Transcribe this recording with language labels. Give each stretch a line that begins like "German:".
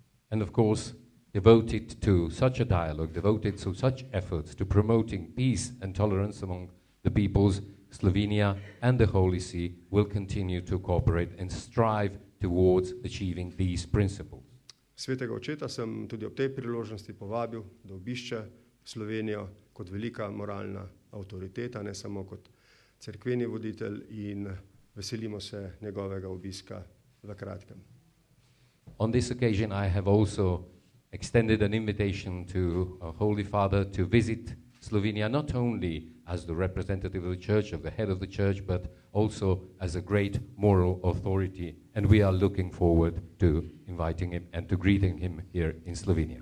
English: And of course, devoted to such a dialogue, devoted to such efforts to promoting peace and tolerance among the peoples, Slovenia and the Holy See will continue to cooperate and strive towards achieving these principles.
Slovenian: Svetega očeta sem tudi ob tej priložnosti povabil, da obišče Slovenijo kot velika moralna avtoriteta, ne samo kot cerkveni voditelj in veselimo se njegovega obiska v kratkem.
English: On this occasion I have also extended an invitation to a Holy Father to visit Slovenia not only as the representative of the church, of the head of the church, but also as a great moral authority. And we are looking forward to inviting him and to greeting him here in Slovenia.